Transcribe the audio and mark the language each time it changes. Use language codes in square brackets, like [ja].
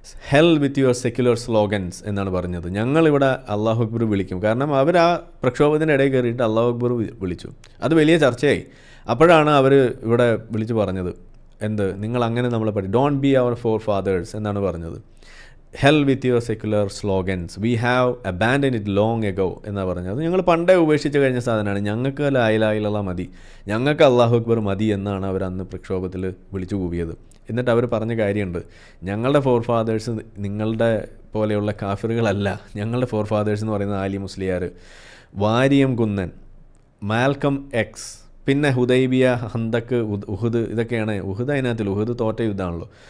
[en] hell with your secular slogans [ml] എന്നാണ് പറഞ്ഞത്. ഞങ്ങളിവിടെ അള്ളാഹു അക്ബർ വിളിക്കും. കാരണം അവർ ആ പ്രക്ഷോഭത്തിൻ്റെ ഇടയിൽ കയറിയിട്ട് അള്ളാഹു അക്ബർ വിളിച്ചു, അത് വലിയ ചർച്ചയായി. അപ്പോഴാണ് അവർ ഇവിടെ വിളിച്ച് പറഞ്ഞത് എന്ത്, നിങ്ങൾ അങ്ങനെ നമ്മളെ പറ്റി, [en] don't be our forefathers [ml] എന്നാണ് പറഞ്ഞത്. [en] Hell with your secular slogans. We have abandoned it long ago. [ml] എന്നാ പറഞ്ഞത്? അത് ഞങ്ങൾ പണ്ടേ ഉപേക്ഷിച്ച് കഴിഞ്ഞ സാധനമാണ്. ഞങ്ങൾക്ക് ലായിലായില്ല മതി, ഞങ്ങൾക്ക് അള്ളാഹു അക്ബർ മതി എന്നാണ് അവർ അന്ന് പ്രക്ഷോഭത്തിൽ വിളിച്ചു കൂവിയത്. എന്നിട്ട് അവർ പറഞ്ഞ കാര്യമുണ്ട്, ഞങ്ങളുടെ ഫോർ ഫാദേഴ്സ് നിങ്ങളുടെ പോലെയുള്ള കാഫിറുകളല്ല, ഞങ്ങളുടെ ഫോർ ഫാദേഴ്സ് എന്ന് പറയുന്ന ആലി മുസ്ലിയാർ, വാരിയം കുന്നൻ, മാൽക്കം എക്സ്, പിന്നെ ഹുദൈബിയ, ഹന്തക്ക്, ഉഹുദ്, ഇതൊക്കെയാണ് ഉഹുദ് അതിനകത്തിൽ, ഉഹുദ് തോറ്റ യുദ്ധമാണല്ലോ.